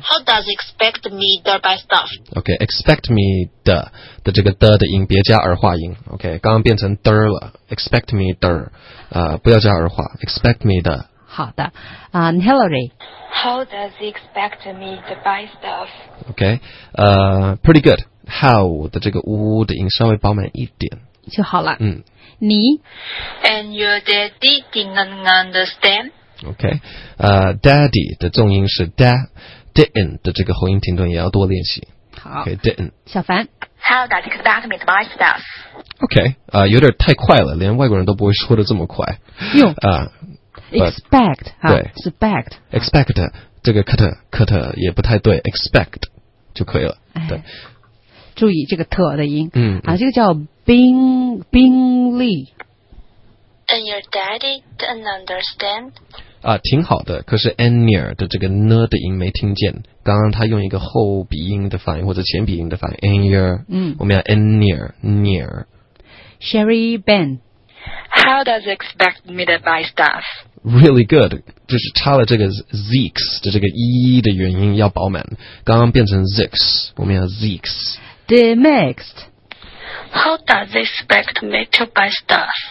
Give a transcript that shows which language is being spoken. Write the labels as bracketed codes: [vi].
[en] How does he expect me to buy stuff? [zh] Okay, expect me 的这个的音别加儿化音。 OK, 刚刚变成的了 ，expect me 的，不要加儿化 ，expect me 的。好的，Hillary. [en] How does he expect me to buy stuff? Okay, pretty good. [zh] How 的这个呜呜的音稍微饱满一点就好了。嗯，你 [en] and your daddy didn't understand. [zh] Okay, daddy 的重音是 da, didn't 的这个喉音停顿也要多练习。好 [en] ，Okay, didn't. [zh] 小凡 [en] ，How does he expect me to buy stuff? [zh] Okay, 有点太快了，连外国人都不会说的这么快。哟啊。 Expect 哈、啊，是 expect expect、啊、这个 cut 也不太对 ，expect 就可以了。对，哎、注意这个 t 的音。嗯啊，这个叫宾利。 [en] And your daddy didn't understand. [zh] 啊，挺好的。可是 near 的这个 n 的音没听见。刚刚他用一个后鼻音的发音或者前鼻音的发音 near。嗯，我们要 near。 Sherry Ben。 [en] How does he expect me to buy stuff? Really good. [zh] 就是差了这个 Zix 的这个 E 的元音要饱满。刚刚变成 Zix, 我们要 Zix. [en] Demixed. How does he expect me to buy stuff?